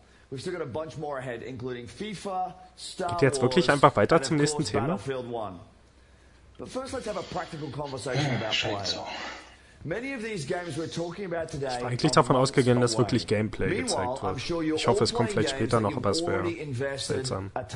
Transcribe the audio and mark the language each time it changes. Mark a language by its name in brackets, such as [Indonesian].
[English] We've still got a bunch more ahead, including FIFA, Star Wars, [German] jetzt wirklich einfach weiter zum nächsten Thema? [English] But first let's have a practical conversation about play. Many of these games we're talking about today. [German] Ich war eigentlich davon ausgegangen, dass wirklich Gameplay gezeigt wird. Ich hoffe, es kommt vielleicht später noch, aber es wäre seltsam.